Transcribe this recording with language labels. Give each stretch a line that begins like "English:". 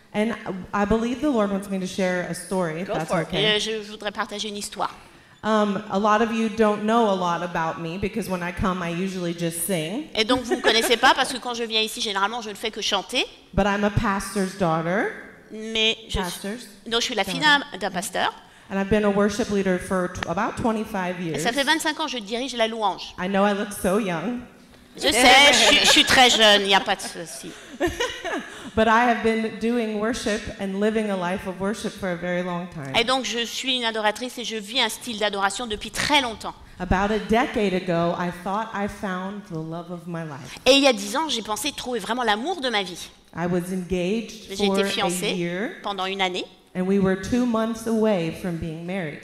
English: And I believe the Lord wants me to share a story. Go if that's for okay. It.
French: Je voudrais partager une histoire.
English: A lot of you don't know a lot about me because when I come, I usually just sing.
French: Et donc vous ne connaissez pas parce que quand je viens ici, généralement, je ne fais que chanter.
English: But I'm a pastor's daughter.
French: Mais
English: pastors.
French: Donc je suis la fille d'un pasteur.
English: And I've been a worship leader for about 25 years.
French: Et ça fait 25 ans que je dirige la louange.
English: I know I look so young.
French: Je sais, je suis très jeune. Il n'y a pas de souci.
English: But I have been doing worship and living a life of worship for a very long time.
French: Et donc je suis une adoratrice et je vis un style d'adoration depuis très longtemps.
English: About a decade ago, I thought I found the love of my life.
French: Et il y a 10 ans, j'ai pensé trouver vraiment l'amour de ma vie.
English: I was engaged for a year
French: pendant une année.
English: And we were 2 months away from being married.